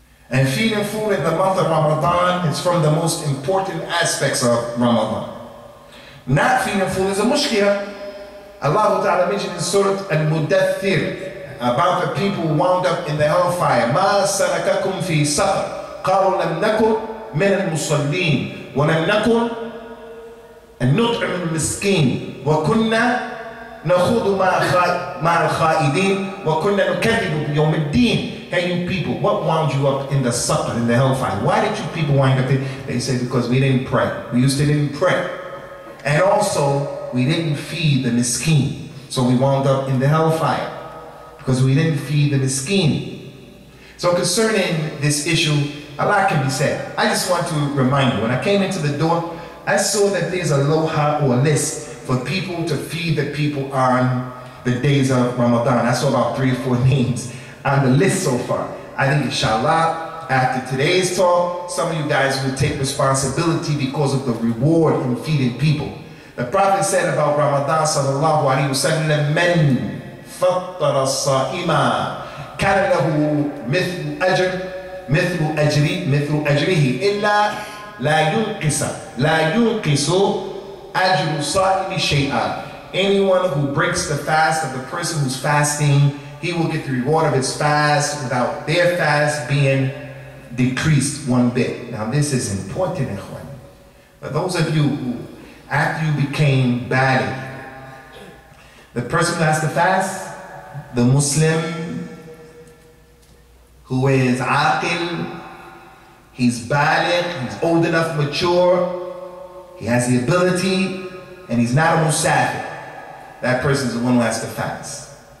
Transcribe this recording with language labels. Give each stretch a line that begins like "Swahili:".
English: And feeding food in the month of Ramadan is from the most important aspects of Ramadan. Not feeding food is a mushkila. Allah Ta'ala mentioned in Surah Al-Mudathir about the people who wound up in the hellfire.
Arabic: مَا سَلَكَكُمْ فِي سَقَرَ قَالُوا لَمْ نَكُمْ مِنَ الْمُصَلِّينَ ولم نكن نطعم المسكين وكنا نخوض مع الخائدين وكنا نكذب بيوم الدين.
English: Hey, you people, what wound you up in the sucker, in the hellfire? Why did you people wind up in? They said, because we didn't pray. We used to didn't pray. And also, we didn't feed the miskin. So we wound up in the hellfire because we didn't feed the miskin. So concerning this issue, a lot can be said. I just want to remind you, when I came into the door, I saw that there's a loha or a list for people to feed the people on the days of Ramadan. I saw about three or four names on the list so far. I think inshallah, after today's talk, some of you guys will take responsibility because of the reward in feeding people. The Prophet said about Ramadan,
Arabic: sallallahu alayhi wa sallam, من فطر الصائم كان له مثل أجر مثل أجري مثل أجره إلا لا ينقص لا ينقص أجر صائم شيئا.
English: Anyone who breaks the fast of the person who's fasting, he will get the reward of his fast without their fast being decreased one bit. Now this is important, ikhwan. For those of you who, after you became bad, the person who has to fast, the Muslim who is aqil, he's baligh, he's old enough, mature, he has the ability, and he's not a musafir, that person is the one who has to fast.